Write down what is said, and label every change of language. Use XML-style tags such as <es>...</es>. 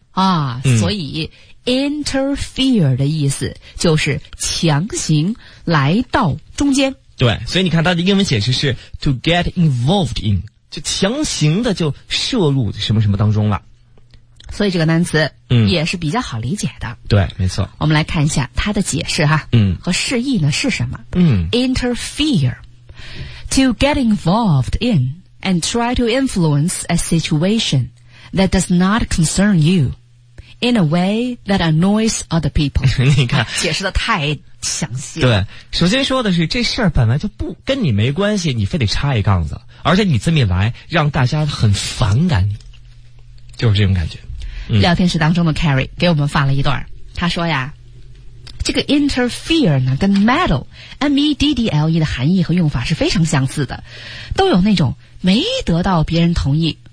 <zh>啊，嗯。所以 interfere 的意思就是强行来到中间。对，所以你看它的英文解释是</zh> <en>to get involved in，</en> <zh>就强行的就涉入什么什么当中了。所以这个单词嗯也是比较好理解的，嗯，对，没错。我们来看一下它的解释哈，嗯，和释义呢是什么，嗯，</zh> <en>interfere to get involved in and try to influence a situation that does not concern you in a way that annoys other people。</en> <zh>你看，啊，解释的太详细了。对，首先说的是这事儿本来就不跟你没关系，你非得插一杠子，而且你这么一来让大家很反感你，就是这种感觉。嗯，聊天室当中的 Carry 给我们发了一段，他说呀，这个 interfere 呢跟 meddle M-E-D-D-L-E 的含义和用法是非常相似的，都有那种没得到别人同意，</zh>